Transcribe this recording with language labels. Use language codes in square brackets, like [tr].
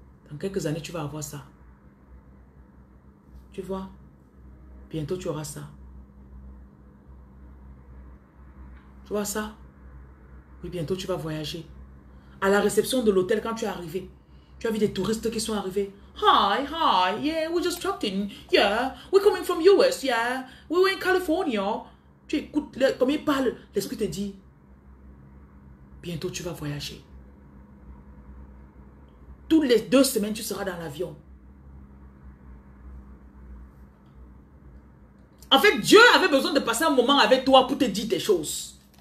[fr] Dans quelques années, tu vas avoir ça. Tu vois? Bientôt, tu auras ça. Tu vois ça? Oui, bientôt, tu vas voyager. À la réception de l'hôtel, quand tu es arrivé, tu as vu des touristes qui sont arrivés. [en] Hi, hi, yeah, we just dropped in. Yeah, we're coming from US, yeah. We were in California. [fr] Tu écoutes, comme il parle, l'Esprit te dit, bientôt, tu vas voyager. Toutes les 2 semaines, tu seras dans l'avion. En fait, Dieu avait besoin de passer un moment avec toi pour te dire des choses.